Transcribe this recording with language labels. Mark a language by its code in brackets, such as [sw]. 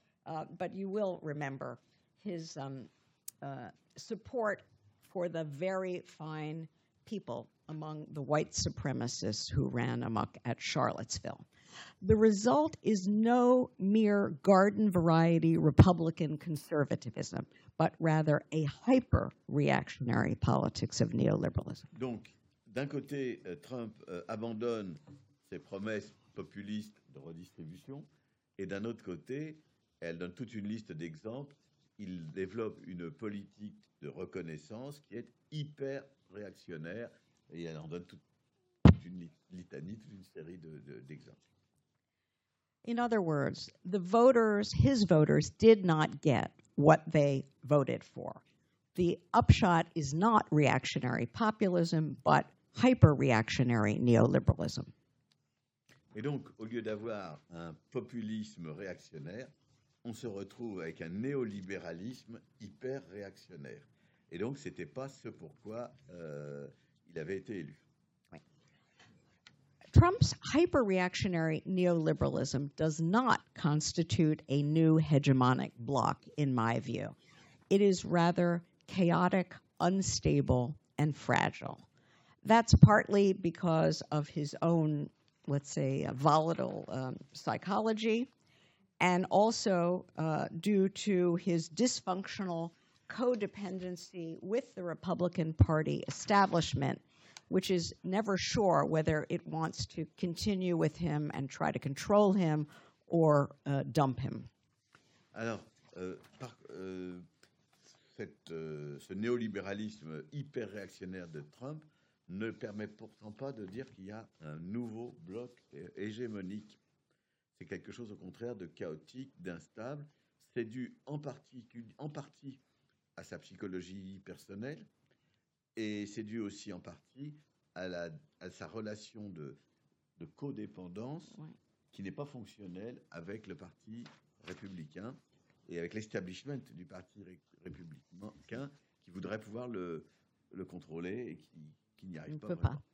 [en] But you will remember his support for the very fine people among the white supremacists who ran amok at Charlottesville. The result is no mere garden variety Republican conservatism, but rather a hyper-reactionary politics of neoliberalism. [fr] Donc, d'un côté, Trump abandonne ses promesses populiste de redistribution, et d'un autre côté, elle donne toute une liste d'exemples, il développe une politique de reconnaissance qui est hyper réactionnaire, et elle en donne toute une litanie, toute une série d'exemples. [en] In other words, the voters, his voters, did not get what they voted for. The upshot is not reactionary populism, but hyper-reactionary neoliberalism. [fr] Et donc, au lieu d'avoir un populisme réactionnaire, on se retrouve avec un néolibéralisme hyper réactionnaire. Et donc, ce n'était pas ce pourquoi il avait été élu. Oui. [en] Trump's hyper-reactionary neoliberalism does not constitute a new hegemonic bloc, in my view. It is rather chaotic, unstable, and fragile. That's partly because of his own, let's say, volatile psychology, and also due to his dysfunctional codependency with the Republican Party establishment, which is never sure whether it wants to continue with him and try to control him or dump him. [fr] Alors, ce néolibéralisme hyper réactionnaire de Trump ne permet pourtant pas de dire qu'il y a un nouveau bloc hégémonique. C'est quelque chose, au contraire, de chaotique, d'instable. C'est dû en partie à sa psychologie personnelle, et c'est dû aussi en partie à sa relation de codépendance, oui, qui n'est pas fonctionnelle avec le Parti républicain et avec l'establishment du Parti républicain qui voudrait pouvoir le contrôler et qui n'y arrive pas.